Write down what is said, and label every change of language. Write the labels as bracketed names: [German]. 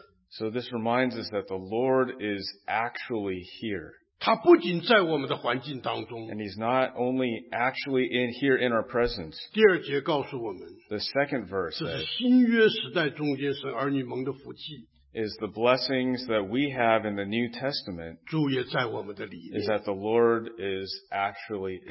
[English] so this reminds us that the Lord is actually here. [Chinese] 他不仅在我们的环境当中, [English] and he's not only actually in here in our presence. [Chinese] 第二节告诉我们, [English] the second verse [Chinese] 这是新约时代中间神儿女蒙的福气, [English] is the blessings that we have in the New Testament, [Chinese] 主也在我们的里面, [English] is that the Lord is actually in